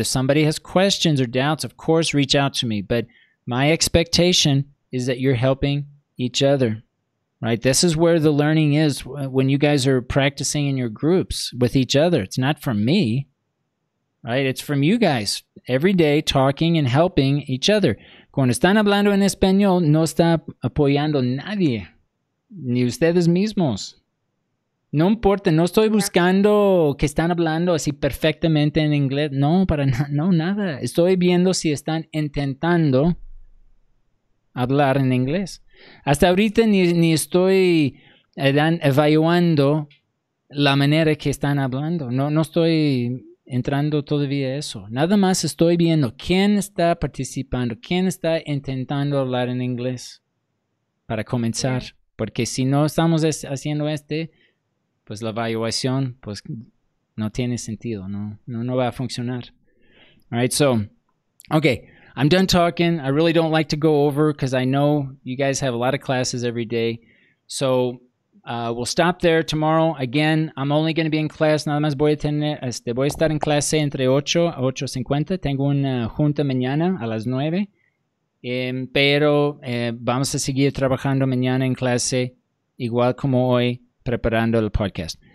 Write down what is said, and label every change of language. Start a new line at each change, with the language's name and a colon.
English: If somebody has questions or doubts, of course, reach out to me. But my expectation is that you're helping each other. Right, this is where the learning is when you guys are practicing in your groups with each other. It's not from me, right? It's from you guys every day talking and helping each other.
Spanish: Cuando están hablando en español, no está apoyando nadie, ni ustedes mismos. No importa, no estoy buscando que están hablando así perfectamente en inglés. No, para nada. Estoy viendo si están intentando hablar en inglés. Hasta ahorita ni estoy evaluando la manera que están hablando. No estoy entrando todavía eso. Nada más estoy viendo quién está participando, quién está intentando hablar en inglés para comenzar. Porque si no estamos haciendo este, pues la evaluación pues no tiene sentido. No va a funcionar.
English: All right, so, okay. I'm done talking. I really don't like to go over because I know you guys have a lot of classes every day. So we'll stop there tomorrow. Again, I'm only going to be in class.
Spanish: Nada más voy a tener, voy a estar en clase entre 8 a 8.50. Tengo una junta mañana a las 9. Pero vamos a seguir trabajando mañana en clase, igual como hoy, preparando el podcast.